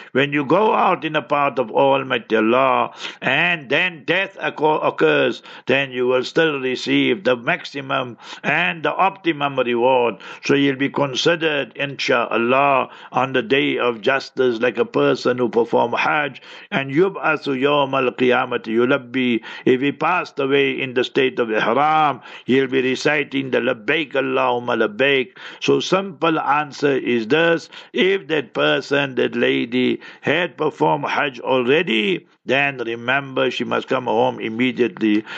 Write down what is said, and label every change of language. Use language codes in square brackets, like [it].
[en] When you go out in the path of Almighty Allah and then death occurs, then you will still receive the maximum and the optimum reward. So you'll be considered, inshallah, on the day of justice like a person who performed Hajj. [ar] And يُبْعَثُ يَوْمَ الْقِيَامَةِ يُلَبِّي. [en] If he passed away in the state of Ihram, he'll be reciting the Labbaik Allah. So simple answer is this: if that person, that lady, had performed Hajj already, then remember she must come home immediately.